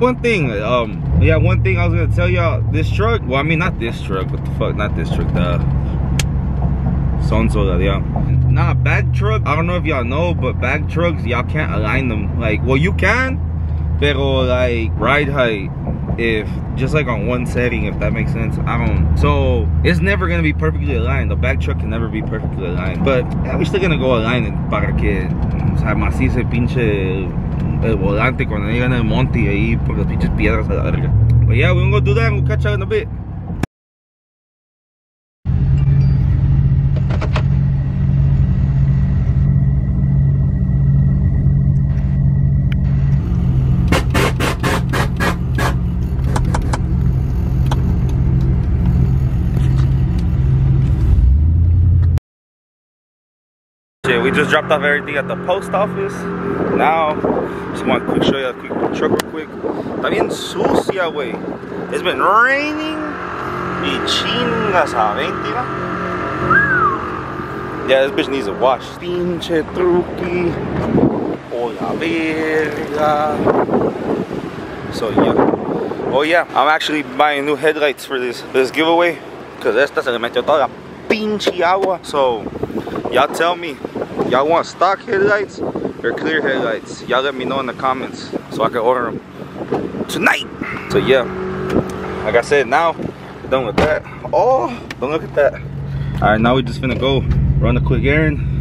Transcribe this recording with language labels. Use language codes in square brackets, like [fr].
[en] One thing I was gonna tell y'all, this truck, well, I mean, not this truck, what the fuck, not this truck, the Sonso, yeah. Nah, bag truck, I don't know if y'all know, but bag trucks, y'all can't align them. Like, well, you can, pero like, ride height, if, just like on one setting, if that makes sense, I don't. So, it's never gonna be perfectly aligned. The bag truck can never be perfectly aligned. But, yeah, we're still gonna go align it, [es] para que, o sea, macizo pinche, el volante cuando llegan el monte ahí por las pinches piedras a la verga. [en] But yeah, we're gonna go do that and we'll catch up in a bit. We just dropped off everything at the post office. Now, just want to show you a quick truck real quick. [es] Está bien sucia, wey. [en] It's been raining. [es] Y chingas a 20. [en] Yeah, this bitch needs a wash. [es] Pinche truqui. Hola, verga. [en] So, yeah. Oh, yeah. I'm actually buying new headlights for this giveaway. Because [es] esta se le metió toda la pinche agua. [en] So, y'all tell me. Y'all want stock headlights or clear headlights? Y'all let me know in the comments so I can order them tonight. So yeah, like I said, now, done with that. Oh, don't look at that. All right, now we just finna go run a quick errand.